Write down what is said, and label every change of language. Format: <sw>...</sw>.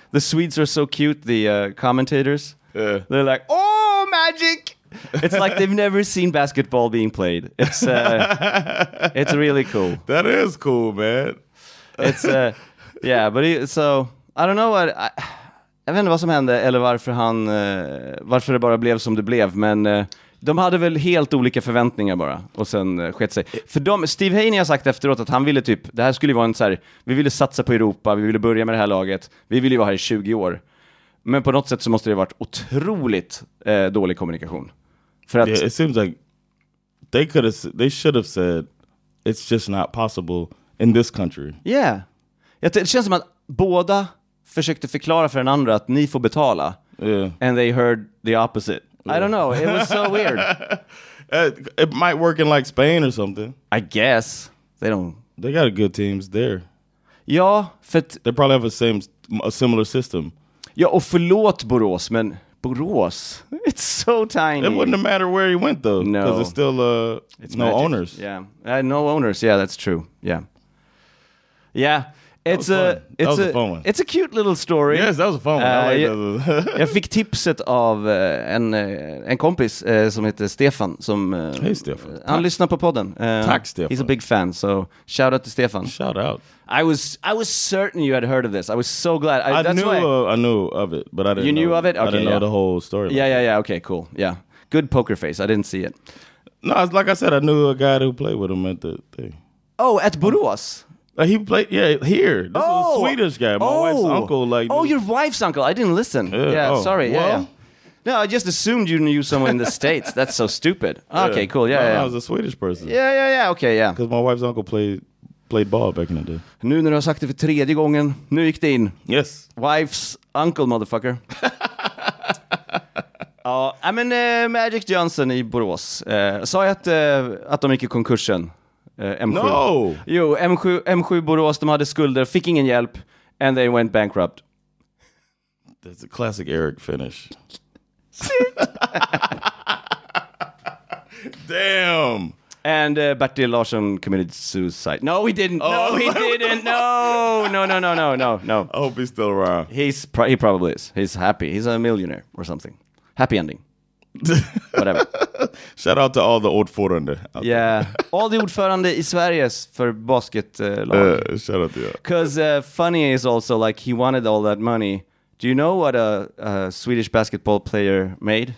<en>The Swedes are so cute, the commentators. Yeah. They're like, oh, Magic! It's like they've never seen basketball being played. It's it's really cool. That is cool, man. It's yeah, but I don't know what...</en> <sv>Jag vet inte vad som hände, eller varför det bara blev som det blev, men... De hade väl helt olika förväntningar bara. Och sen skett sig. För Steve Haney har sagt efteråt att han ville typ... Det här skulle ju vara en så här... Vi ville satsa på Europa. Vi ville börja med det här laget. Vi ville ju vara här i 20 år. Men på något sätt så måste det ha varit otroligt dålig kommunikation. För att...</sv> <en>Yeah, it seems like... They should have said... It's just not possible in this country. Yeah.</en> <sv>Det känns som att båda försökte förklara för den andra att ni får betala.</sv> <en>Yeah. And they heard the opposite. Yeah. I don't know. It was so weird. It might work in like Spain or something. I guess. They got a good teams there.</en> <sv>Ja, för</sv> <en>they probably have a similar system.</en> <sv>Ja, och förlåt Borås, men Borås.</sv> <en>It's so tiny. It wouldn't matter where he went though. No. Because there's still it's no magic. Owners. Yeah. No owners. Yeah, that's true. Yeah. Yeah. It's a fun one. It's a cute little story. Yes, that was a fun one.</en> <sv>Jag fick tipset av en kompis som heter Stefan. Som,</sv> <en>hey, Stefan.</en> <sv>Han lyssnar på podden. Tack, Stefan.</sv> <en>He's a big fan, so shout out to Stefan. Shout out. I was certain you had heard of this. I was so glad. I knew of it, but I didn't you know. You knew of it? Okay, I didn't know the whole story. Yeah, yeah, yeah. Okay, cool. Yeah. Good poker face. I didn't see it. No, like I said, I knew a guy who played with him at the thing. Oh, at Borås. He played, here. This is a Swedish guy. My wife's uncle. Like, oh, your wife's uncle. I didn't listen. Sorry. Well, yeah. No, I just assumed you knew someone in the States. That's so stupid. Yeah. Okay, cool. Yeah, no, yeah. I was a Swedish person. Yeah, yeah, yeah. Okay, yeah. Because my wife's uncle played ball back in the day.</en> <sv>Nu när du har sagt det för tredje gången, nu gick det in.</sv> <en>Yes. Wife's uncle, motherfucker.</en> <sv>Ja,</sv> <en>I mean, Magic Johnson</en> <sv>i Borås. Sa jag att de gick i konkursen? M7.</sv> <en>No.</en> <sv>Jo, M7 Borås, de hade skulder, fick ingen hjälp,</sv> <en>and they went bankrupt. That's a classic Eric finish. Shit. Damn. And Bertil Larsson committed suicide. No, he didn't. Oh, no, he didn't. No. I hope he's still around. He probably is. He's happy. He's a millionaire or something. Happy ending. Whatever. Shout out to all the ordförande. Yeah. All the ordförande</en> <sv>i Sverige för basketlag.</sv> <en>Shout out to you. Because funny is also like he wanted all that money. Do you know what a Swedish basketball player made?</en>